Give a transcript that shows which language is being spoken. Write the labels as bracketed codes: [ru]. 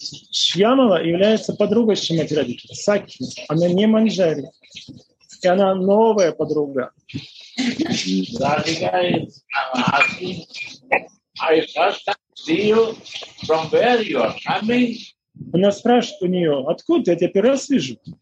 [ru] Шьямала является подругой Шримати Радхики, Сакхи. Она не Манджари. И она новая подруга. [en] Радхика is asking, I first see you from where you are coming. [ru] Она спрашивает у нее, откуда я тебя первый раз вижу?